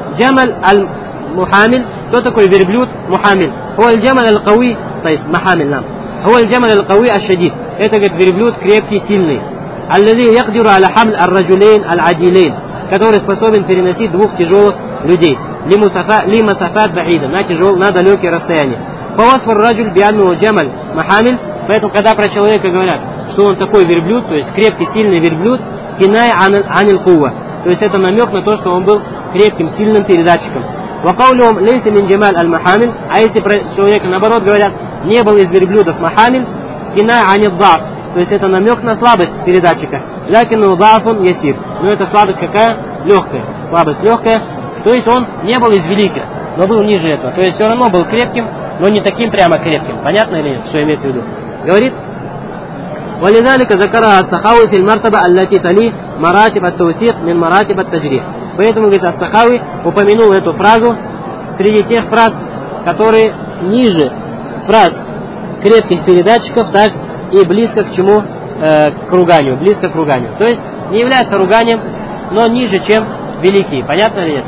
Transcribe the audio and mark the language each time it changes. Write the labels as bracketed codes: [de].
[ru] «Джамаль аль-мухамиль». Кто такой верблюд? Мухамиль. «Хуаль джамаль аль-кауи». То есть, «махамиль» нам. [ar] هو الجمل القوي الشديد. [ru] Это говорит верблюд крепкий, сильный. [ar] الذي يقدر على حمل الرجلين العجلين, [ru] который способен переносить двух тяжелых людей. [ar] لمسافات بعيدة, [ru] на далекие расстояния. [ar] فوصف الرجل بأنه جمل محامل. [ru] Поэтому когда про человека говорят, что он такой верблюд, то есть крепкий, сильный верблюд, [ar] كناية عن القوة, [ru] то есть это намек на то, что он был крепким, сильным передатчиком. [ar] وقولهم ليس من جمال المحامل, [ru] а если про человека наоборот говорят, не был из верблюдов محامل, [ar] كناية عن الضعف, [ru] то есть это намек на слабость передатчика. [ar] لكن ضعف يسير, [ru] но это слабость какая? Легкая. Слабость легкая, то есть он не был из великих, но был ниже этого. То есть все равно был крепким, но не таким прямо крепким. Понятно или нет, что имеется в виду? Говорит. [ar] ولذلك ذكرها السخاوي في المرتبة التي تلي مراتب التوثيق من مراتب التجريح. [ru] Поэтому, говорит, ас-сахави упомянул эту фразу среди тех фраз, которые ниже фраз крепких передатчиков, так и близко к чему? К руганию. Близко к руганию. То есть не является руганием, но ниже, чем великие. Понятно или нет?